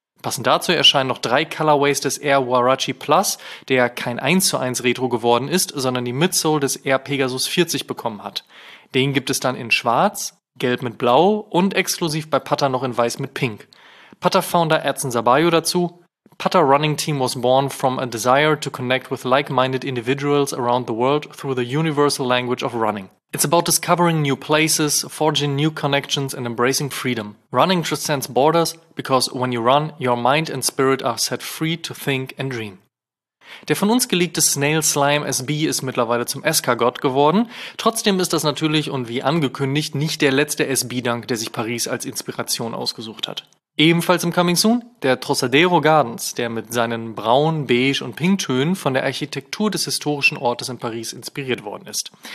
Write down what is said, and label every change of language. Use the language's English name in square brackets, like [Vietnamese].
[German] Passend dazu erscheinen noch drei Colorways des Air Huarache Plus, der kein 1:1 Retro geworden ist, sondern die Midsole des Air Pegasus 40 bekommen hat. Den gibt es dann in Schwarz, Gelb mit Blau und exklusiv bei Pata noch in Weiß mit Pink. Pata-Founder Edson Sabayo dazu. [English] Pata Running Team was born from a desire to connect with like-minded individuals around the world through the universal language of running. It's about discovering new places, forging new connections and embracing freedom. Running transcends borders because when you run, your mind and spirit are set free to think and dream. [German] Der von uns geleakte Snail Slime SB ist mittlerweile zum SK-Gott geworden. Trotzdem ist das natürlich und wie angekündigt nicht der letzte SB-Dunk, der sich Paris als Inspiration ausgesucht hat. Ebenfalls im Coming Soon der Trocadero Gardens, der mit seinen braun, beige und pinktönen von der Architektur des historischen Ortes in Paris inspiriert worden ist.